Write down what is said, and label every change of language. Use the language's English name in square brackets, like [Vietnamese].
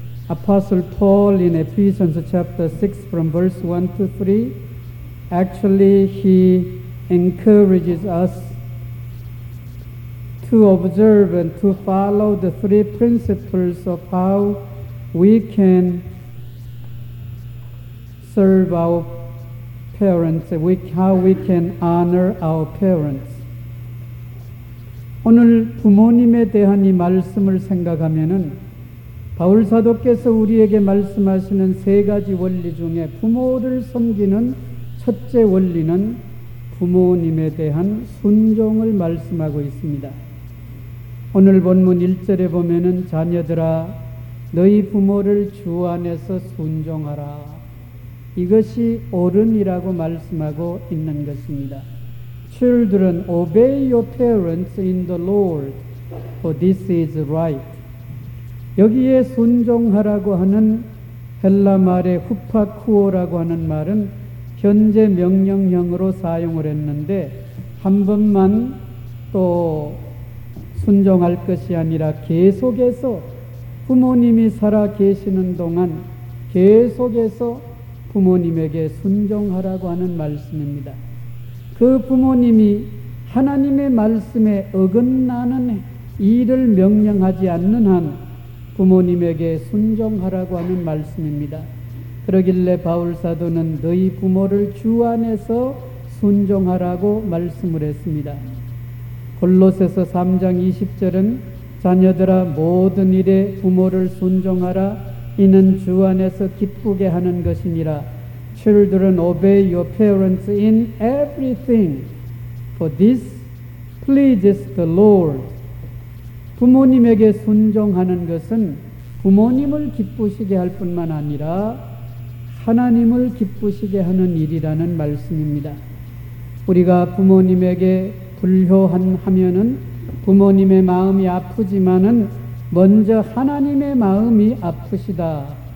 [English] Apostle Paul in Ephesians chapter 6 from verse 1 to 3 actually he encourages us to observe and to follow the three principles of how we can serve our parents, how we can honor our parents. [Korean] 오늘 부모님에 대한 이 말씀을 생각하면은 바울 사도께서 우리에게 말씀하시는 세 가지 원리 중에 부모를 섬기는 첫째 원리는 부모님에 대한 순종을 말씀하고 있습니다. 오늘 본문 1절에 보면은 자녀들아 너희 부모를 주 안에서 순종하라. 이것이 옳음이라고 말씀하고 있는 것입니다. [English] Children, obey your parents in the Lord, for this is right. [Korean] 여기에 순종하라고 하는 헬라 말의 후파쿠오라고 하는 말은 현재 명령형으로 사용을 했는데 한 번만 또 순종할 것이 아니라 계속해서 부모님이 살아 계시는 동안 계속해서 부모님에게 순종하라고 하는 말씀입니다. 그 부모님이 하나님의 말씀에 어긋나는 일을 명령하지 않는 한 부모님에게 순종하라고 하는 말씀입니다. 그러길래 바울사도는 너희 부모를 주 안에서 순종하라고 말씀을 했습니다. 골로새서 3장 20절은 자녀들아 모든 일에 부모를 순종하라 이는 주 안에서 기쁘게 하는 것이니라. [English] Children, obey your parents in everything, for this pleases the Lord. [Korean] 부모님에게 순종하는 것은 부모님을 기쁘시게 할 뿐만 아니라 하나님을 기쁘시게 하는 일이라는 말씀입니다. 우리가 부모님에게 불효하면은 부모님의 마음이 아프지만은 먼저 하나님의 마음이 아프시다.